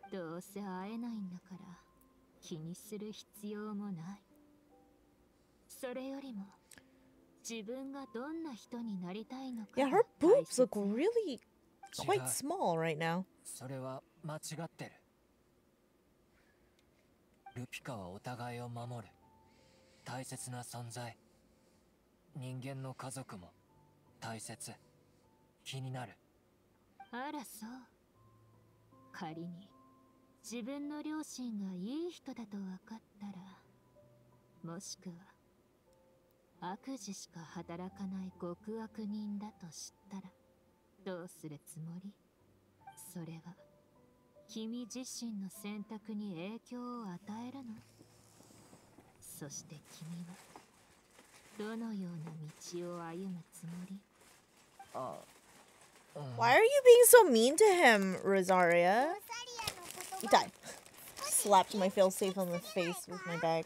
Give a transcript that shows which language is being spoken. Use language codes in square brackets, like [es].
[ja] どうせ会えないんだから気にする必要もない。それよりも自分がどんな人になりたいのか。 [en] Yeah, her boobs look really quite small right now. [ja] それは間違ってる。ルピカはお互いを守る大切な存在。人間の家族も大切。気になる。あらそう。仮に自分の両親がいい人だと分かったら、もしくは悪事しか働かない極悪人だと知ったらどうするつもり？それは君自身の選択に影響を与えるの？そして君はどのような道を歩むつもり？ [en] Why are you being so mean to him, Rosaria? He died. Slapped my failsafe on the face with my bag.